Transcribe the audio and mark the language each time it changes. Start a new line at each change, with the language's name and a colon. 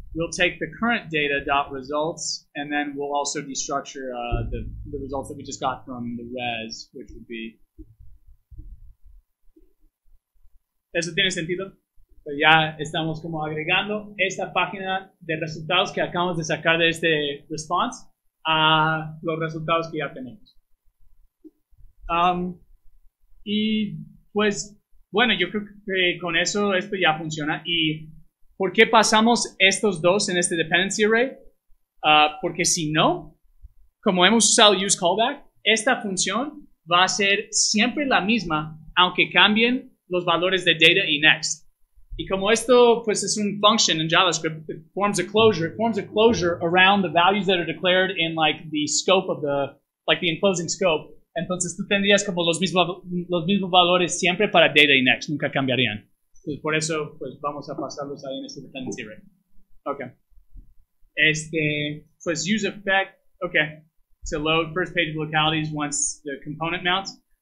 English: We'll take the current data.results and then we'll also destructure the results that we just got from the res, which would be...
Spanish: ¿Eso tiene sentido? Pero ya estamos como agregando esta página de resultados que acabamos de sacar de este response a los resultados que ya tenemos. Y pues, bueno, yo creo que con eso esto ya funciona. ¿Y por qué pasamos estos dos en este dependency array? Porque si no, como hemos usado use callback, esta función va a ser siempre la misma, aunque cambien los valores de data y next. Y como esto, pues, es una
English: function in JavaScript, it forms a closure around the values that are declared in, like, the scope of the, like, the enclosing scope.
Spanish: Entonces, tú tendrías como los mismos valores siempre para data y next. Nunca cambiarían. Entonces, por eso, pues, vamos a pasarlos ahí en este dependency array. Okay. Este, pues, use effect. Okay.
English: To load first page of localities once the component mounts.